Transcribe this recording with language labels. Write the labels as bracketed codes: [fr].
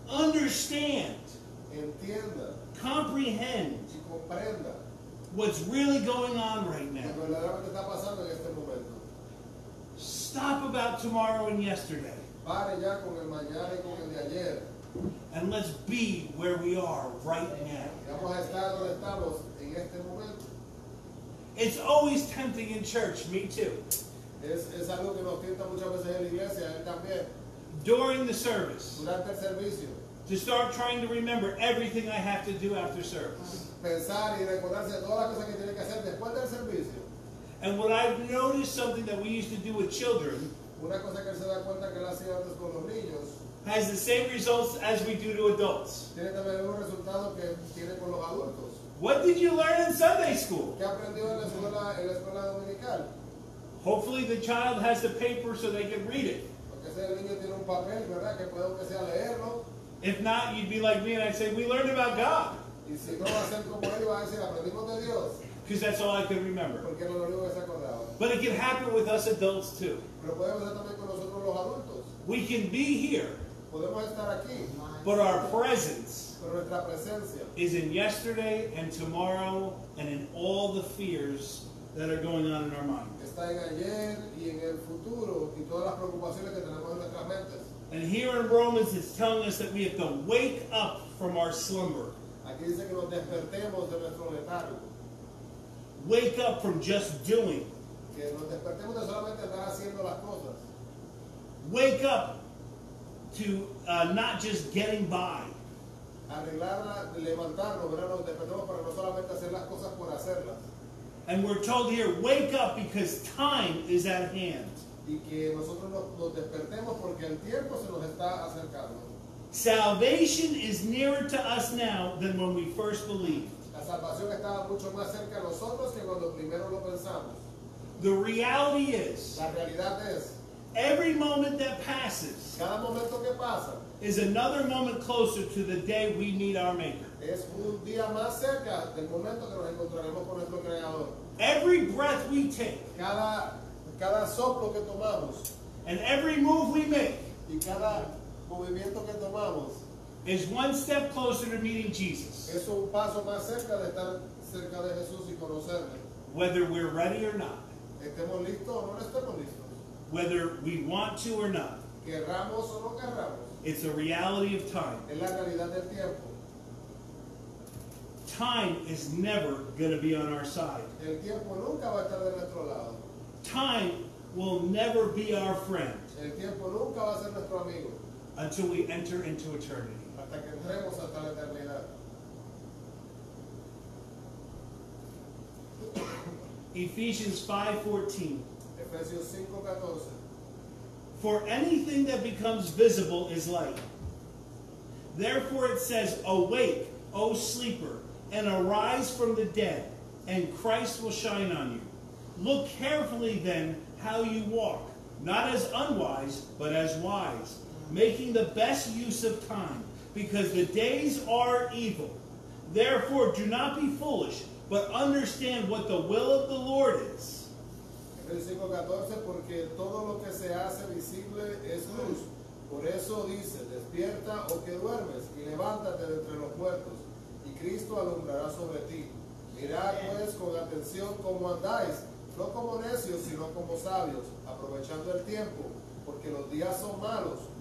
[en] Understand. [es] Entienda. [en] Comprehend. [es] Y comprenda. [en] What's really going on right now. [es] Lo que realmente está pasando en este momento. [en] Stop about tomorrow and yesterday. [es] Pare ya con el mañana y con el de ayer. [en] And let's be where we are right now. [es] Vamos a estar donde estamos en este momento. [en] It's always tempting in church, me too. [es] Es algo que nos tienta muchas veces en la iglesia, él también. [en] During the service. [es] Durante el servicio. [en] To start trying to remember everything I have to do after service. [es] Pensar y recordarse todas las cosas que tiene que hacer después del servicio. [en] And what I've noticed, something that we used to do with children. [es] Una cosa que se da cuenta que lo hacía antes con los niños. [en] has the same results as we do to adults. [es] Tiene también los resultados que tiene con los adultos. [en] What did you learn in Sunday school? [es] ¿Qué aprendió en la escuela, dominical? [en] Hopefully the child has the paper so they can read it. [es] Porque ese niño tiene un papel, ¿verdad? Que puede aunque sea leerlo. [en] If not, you'd be like me and I'd say, we learned about God. [es] Y si no va a ser como él, va a decir, aprendimos de Dios. [en] Because that's all I can remember. [es] Porque lo único que se acordaba. [en] But it can happen with us adults too. [es] Pero podemos estar también con nosotros los adultos. [en] We can be here. [es] Podemos estar aquí. [en] But our presence [es] Pero nuestra presencia. [en] Is in yesterday and tomorrow and in all the fears that are going on in our mind. [es] Está en ayer y en el futuro y todas las preocupaciones que tenemos en nuestras mentes. [en] And here in Romans it's telling us that we have to wake up from our slumber. [es] Aquí dice que nos despertemos de nuestro letargo. [en] Wake up from just doing. [es] Que nos despertemos de solamente estar haciendo las cosas. [en] Wake up to not just getting by. [es] Arreglarla, levantarnos, ¿verdad? Nos despertemos para no solamente hacer las cosas por hacerlas. [en] And we're told here, wake up because time is at hand. [es] Y que nosotros nos despertemos porque el tiempo se nos está acercando. [en] Salvation is nearer to us now than when we first believed. [es] La salvación estaba mucho más cerca de nosotros que cuando primero lo pensamos. [en] The reality is, [es] la realidad es, [en] every moment that passes, [es] cada momento que pasa, [en] is another moment closer to the day we meet our Maker. [es] Es un día más cerca del momento que nos encontraremos con nuestro Creador. [en] Every breath we take, [es] cada soplo que tomamos, [en] and every move we make, [es] y cada movimiento que tomamos, [en] is one step closer to meeting Jesus. [es] Es un paso más cerca de estar cerca de Jesús y conocerle. [en] Whether we're ready or not. [es] Estemos listos o no estemos listos. [en] Whether we want to or not. [es] Querramos o no querramos. [en] It's a reality of time. [es] Es la realidad del tiempo. [en] Time is never going to be on our side. [es] El tiempo nunca va a estar de nuestro lado. [en] Time will never be our friend. [es] El tiempo nunca va a ser nuestro amigo. [en] Until we enter into eternity. [es] Hasta que entremos hasta la eternidad. [en] Ephesians 5:14. [es] Efesios 5:14. [en] For anything that becomes visible is light. Therefore it says, awake, O sleeper, and arise from the dead, and Christ will shine on you. Look carefully then how you walk, not as unwise, but as wise, making the best use of time, because the days are evil. Therefore, do not be foolish, but understand what the will of the Lord is. [es] Versículo 14, porque todo lo que se hace visible es luz. Por eso dice, despierta o que duermes, y levántate de entre los muertos, y Cristo alumbrará sobre ti. Mirad pues con atención cómo andáis, no como necios, sino como sabios, aprovechando el tiempo, porque los días son malos.